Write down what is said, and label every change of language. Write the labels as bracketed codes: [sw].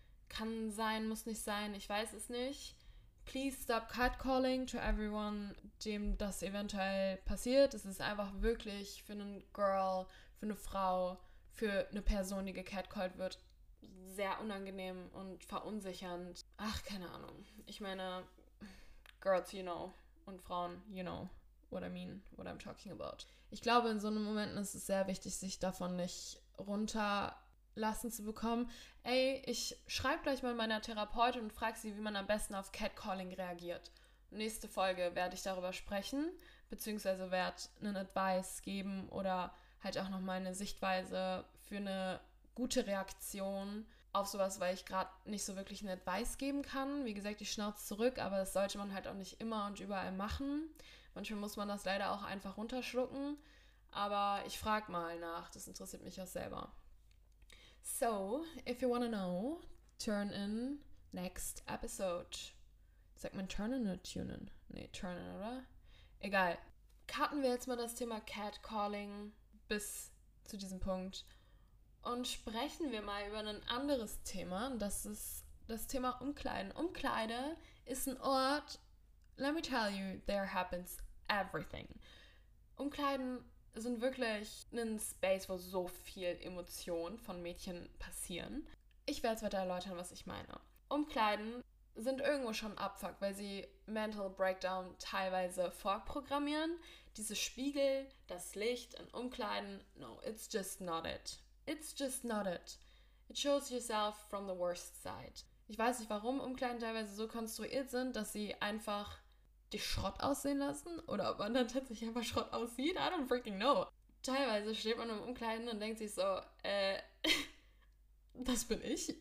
[de] Kann sein, muss nicht sein. Ich weiß es nicht. [en] Please stop catcalling to everyone, [de] dem das eventuell passiert. Es ist einfach wirklich für einen Girl, für eine Frau, für eine Person, die gecatcalled wird, sehr unangenehm und verunsichernd. Ach, keine Ahnung. Ich meine, [en] girls, you know. [de] Und Frauen, [en] you know what I mean, what I'm talking about. [de] Ich glaube, in so einem Moment ist es sehr wichtig, sich davon nicht runterlassen zu bekommen. Ey, ich schreibe gleich mal meiner Therapeutin und frage sie, wie man am besten auf Catcalling reagiert. Nächste Folge werde ich darüber sprechen, beziehungsweise werde einen Advice geben oder halt auch noch meine Sichtweise für eine gute Reaktion auf sowas, weil ich gerade nicht so wirklich einen Advice geben kann. Wie gesagt, ich schnauze zurück, aber das sollte man halt auch nicht immer und überall machen. Manchmal muss man das leider auch einfach runterschlucken, aber ich frage mal nach, das interessiert mich auch selber. [en] So, if you wanna know, turn in next episode. [de] Sagt man turn in oder tune in? Nee, turn in, oder? Egal. Cutten wir jetzt mal das Thema Catcalling bis zu diesem Punkt. Und sprechen wir mal über ein anderes Thema. Das ist das Thema Umkleiden. Umkleide ist ein Ort, [en] let me tell you, there happens everything. [de] Umkleiden sind wirklich ein Space, wo so viel Emotionen von Mädchen passieren. Ich werde es weiter erläutern, was ich meine. Umkleiden sind irgendwo schon Abfuck, weil sie Mental Breakdown teilweise vorprogrammieren. Diese Spiegel, das Licht in Umkleiden, [en] no, it's just not it. It's just not it. It shows yourself from the worst side. [de] Ich weiß nicht, warum Umkleiden teilweise so konstruiert sind, dass sie einfach die Schrott aussehen lassen oder ob man dann tatsächlich einfach Schrott aussieht. [en] I don't freaking know. [de] Teilweise steht man im Umkleiden und denkt sich so, das bin ich.